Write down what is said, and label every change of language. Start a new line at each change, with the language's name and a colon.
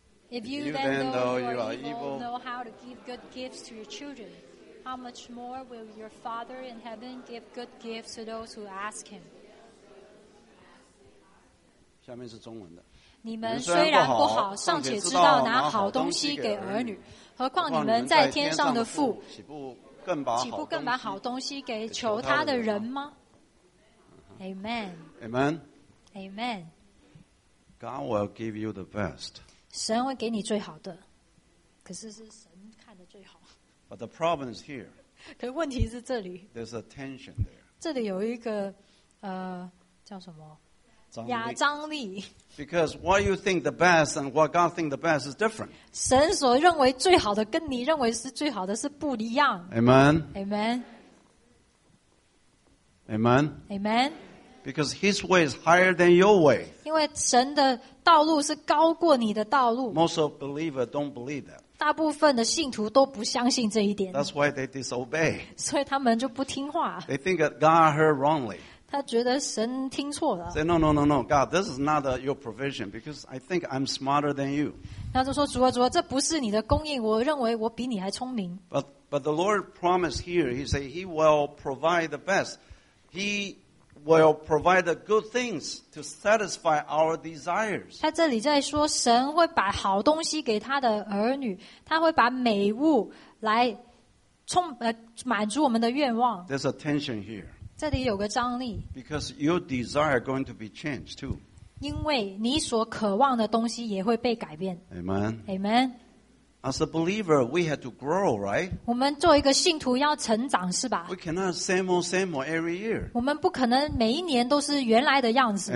English: If you then though you are evil, know how to give good gifts to your children, how much more will your Father in heaven give good gifts to those who ask Him?
Chinese: 下面是中文的, 你们虽然不好, 尚且知道拿好东西给儿女, 何况你们在天上的父, 岂不更把好东西给求他的人吗?
English: Amen. Amen. Amen. God will give you the best.
Chinese: 神会给你最好的, 可是是神看的最好,
English: but the problem is here.
Chinese: 可问题是这里,
English: there's a tension there.
Chinese: 这里有一个, 叫什么? 亚张力,
English: because what you think the best and what God thinks the best is different.
Chinese: 神所认为最好的, 跟你认为是最好的是不一样。
English: Amen. Amen. Amen. Amen. Because His way is higher than your way.
Chinese: 因为神的道路是高过你的道路。
English: Most of believers don't believe that.
Chinese: 大部分的信徒都不相信这一点。
English: That's why they disobey.
Chinese: 所以他们就不听话。
English: They think that God heard wrongly.
Chinese: 他觉得神听错了。
English: Say, no, no, no, no, God, this is not your provision because I think I'm smarter than you.
Chinese: 他就说, 主啊, 主啊, 这不是你的供应, 我认为我比你还聪明。
English: But the Lord promised here, He said He will provide the best. He will provide the good things to satisfy our desires.
Chinese: 他这里在说, 神会把好东西给他的儿女, 他会把美物来充, 满足我们的愿望。
English: There's a tension here.
Chinese: 这里有个张力。
English: Because your desire is going to be changed too.
Chinese: 因为你所渴望的东西也会被改变。
English: Amen. Amen. As a believer, we have to grow, right?
Chinese: 我们做一个信徒要成长，是吧？
English: We cannot same old every year.
Chinese: 我们不可能每一年都是原来的样子。